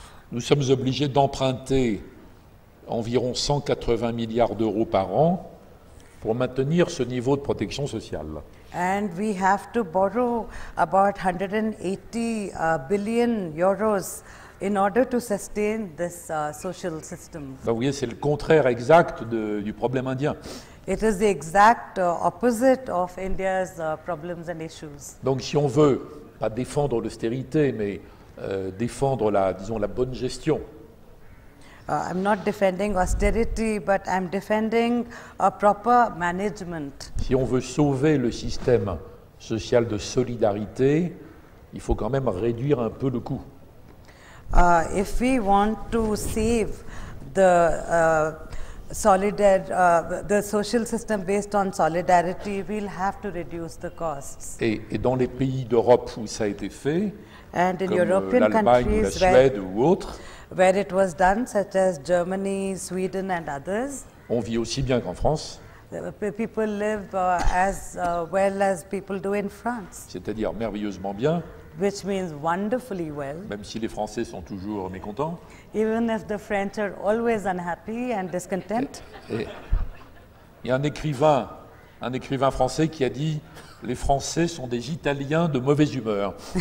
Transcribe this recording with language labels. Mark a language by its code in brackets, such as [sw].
[fr] Nous sommes obligés d'emprunter environ 180 milliards d'euros par an pour maintenir ce niveau de protection sociale. [en] And we have to borrow about 180 billion euros in order to sustain this social system. [fr] Donc, vous voyez, c'est le contraire exact du problème indien. [en] It is the exact opposite of India's problems and issues. [fr] Donc, si on veut pas défendre l'austérité, mais défendre la bonne gestion. [en] I'm not defending austerity, but I'm defending a proper management. [fr] Si on veut sauver le système social de solidarité, il faut quand même réduire un peu le coût. [en] If we want to save the the social system based on solidarity, we'll have to reduce the costs. [fr] Et dans les pays d'Europe où ça a été fait, [en] and in [fr] comme [en] European countries [fr] ou la Suède ou autres, [en] where it was done, such as Germany, Sweden and others, [fr] on vit aussi bien qu'en France. [en] People live as well as people do in France. [fr] C'est-à-dire merveilleusement bien. [en] Which means wonderfully well. [fr] Même si les Français sont toujours mécontents. [en] Even if the French are always unhappy and discontent. [fr] Il y a un écrivain un écrivain français qui a dit les Français sont des Italiens de mauvaise humeur.